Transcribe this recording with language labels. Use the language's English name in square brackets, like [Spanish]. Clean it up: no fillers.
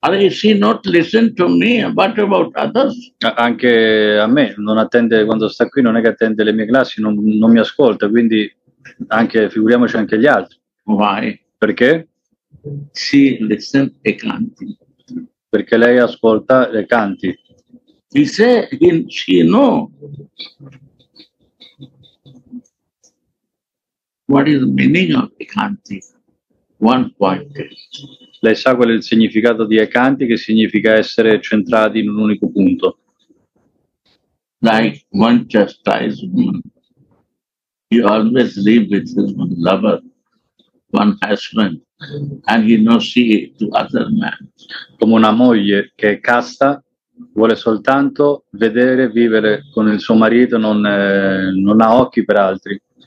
[English] She not listen to me, but about others? [Italian] Anche a me, non attende quando sta qui, non è che attende le mie classi, non mi ascolta, quindi anche figuriamoci anche gli altri. [English] Why? [Italian] Perché? [English] She listen e canti. [Italian] Perché lei ascolta e canti. [English] He say he, she know. What is the meaning of e canti? One point. [Italian] Lei sa qual è il significato di Ekanti, che significa essere centrati in un unico punto. [English] Like one chastisement, you always live with this one lover, one husband, and you not see it to other men. [Italian] Come una moglie che è casta, vuole soltanto vedere, vivere con il suo marito, non ha occhi per altri.